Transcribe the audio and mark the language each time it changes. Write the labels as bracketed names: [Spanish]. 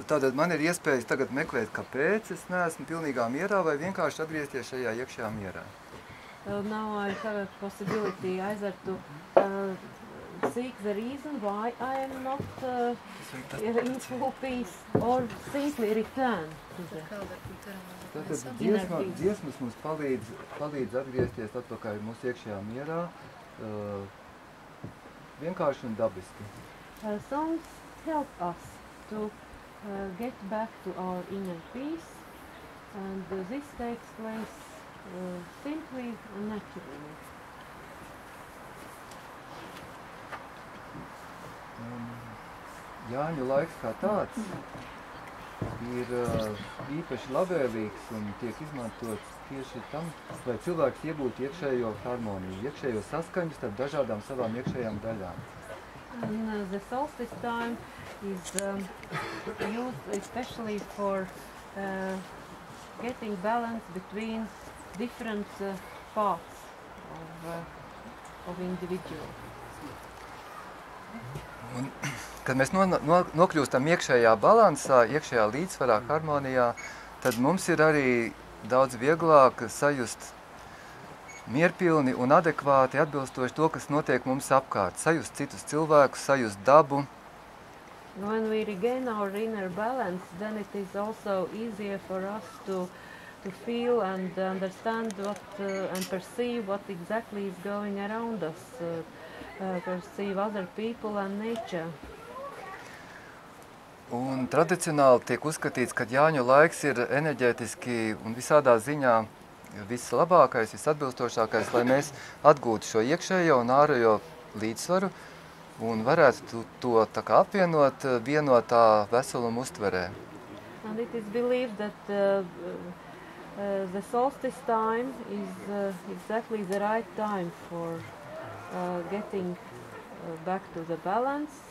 [Latvian] Tātad man ir iespējas tagad meklēt, kāpēc es neesmu pilnīgā mierā vai vienkārši atgriezties šajā iekšējā mierā. [English] Now I have a possibility either to seek the reason why I am not in full peace or simply return to the inner peace. [Latvian] Dziesmas mums palīdz atgriezties atpakaļ mūsu iekšējā mierā. Vienkārši un dabiski. [English] Songs help us to get back to our inner peace and this takes place simply and naturally. [Latvian] Jāņu laiks kā tāds ir īpaši labvēlīgs un tiek izmantots tieši tam, lai cilvēks iegūtu iekšējo harmoniju, iekšējo saskaņu starp dažādām savām iekšējām daļām. [English] And the solstice time is used especially for getting balance between different parts of individual. [Latvian] Un, kad mēs nokļūstam iekšējā balansā, iekšējā līdzsvarā, harmonijā, tad mums ir arī daudz vieglāk sajust mierpilni un adekvāti atbilstoši to, kas notiek mums apkārt. Sajust citus cilvēkus, sajust dabu. [English] When we regain our inner balance, then it is also easier for us to feel and understand what and perceive what exactly is going around us. Perceive other people and nature. [Latvian] Un tradicionāli tiek uzskatīts, ka Jāņu laiks ir enerģētiski un visādā ziņā viss labākais, viss atbilstošākais, lai mēs atgūtu šo iekšējo un ārējo līdzsvaru un varētu to tā kā apvienot vienotā veselumu uztverē. [English] And it is believed that the solstice time is exactly the right time for getting back to the balance.